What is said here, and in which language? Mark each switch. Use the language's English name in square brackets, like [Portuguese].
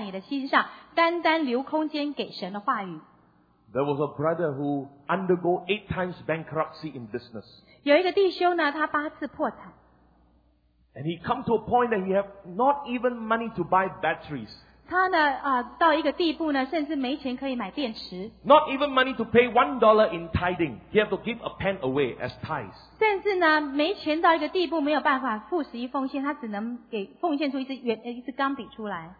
[Chinese] 信心能够成长乃是呢,你撇下所有一些其他的事物在你的心上,单单留空间给神的话语。 [English] There was a brother who undergo 8 times bankruptcy in business. [Chinese] 有一个弟兄呢,他8次破产。 [English] And he come to a point that he have not even money to buy batteries. [Chinese] 他呢,到一个地步呢,甚至没钱可以买电池。 [English] Not even money to pay $1 in tithing. He have to give a pen away as tithes. [Chinese] 甚至呢,没钱到一个地步没有办法付十一奉献,他只能奉献出一支钢笔出来。